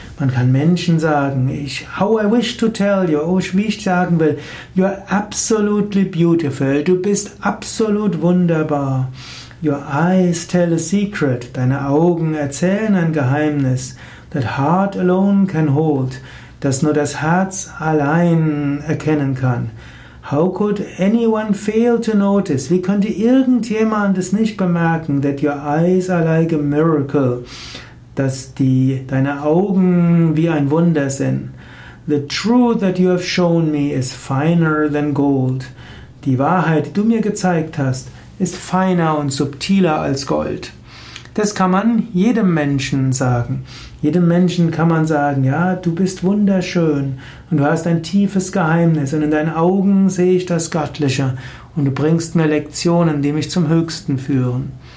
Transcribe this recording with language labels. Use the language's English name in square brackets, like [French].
[German] Man kann Menschen sagen, [English] how I wish to tell you, [German] wie ich sagen will, [English] you're absolutely beautiful, [German] du bist absolut wunderbar. [English] Your eyes tell a secret, [German] deine Augen erzählen ein Geheimnis, [English] that heart alone can hold, [German] das nur das Herz allein erkennen kann. [English] How could anyone fail to notice? [German] Wie könnte irgendjemand es nicht bemerken, [English] that your eyes are like a miracle, [German] dass deine Augen wie ein Wunder sind. [English] The truth that you have shown me is finer than gold. [German] Die Wahrheit, die du mir gezeigt hast, ist feiner und subtiler als Gold. Das kann man jedem Menschen sagen. Jedem Menschen kann man sagen, ja, du bist wunderschön und du hast ein tiefes Geheimnis und in deinen Augen sehe ich das Göttliche und du bringst mir Lektionen, die mich zum Höchsten führen.